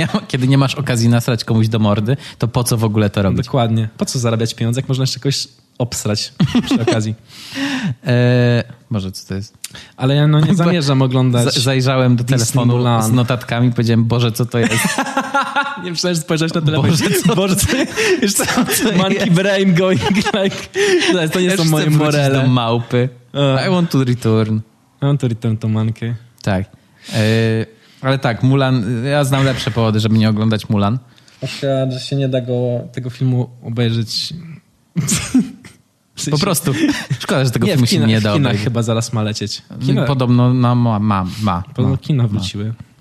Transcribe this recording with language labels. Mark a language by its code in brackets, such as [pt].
[pl] Kiedy nie masz okazji nasrać komuś do mordy, to po co w ogóle to robić? Dokładnie. Po co zarabiać pieniądze, jak można jeszcze kogoś obsrać przy okazji. Może co to jest? Ale ja nie zamierzam oglądać. Zajrzałem do telefonu z notatkami i powiedziałem, Boże, co to jest? Nie myślałem, że spojrzałeś na telefon. Boże, co to jest? [en] Monkey brain going like... [pl] To nie są moje morele. Do małpy. [en] I want to return. I want to return to monkey. [pl] Tak. Ale tak, Mulan... Ja znam lepsze powody, żeby nie oglądać Mulan. Myślę, że się nie da go tego filmu obejrzeć... Po prostu. Szkoda, że tego filmu się nie dało. W kinach chyba zaraz ma lecieć. Kino. Podobno ma. Podobno kina wróciły.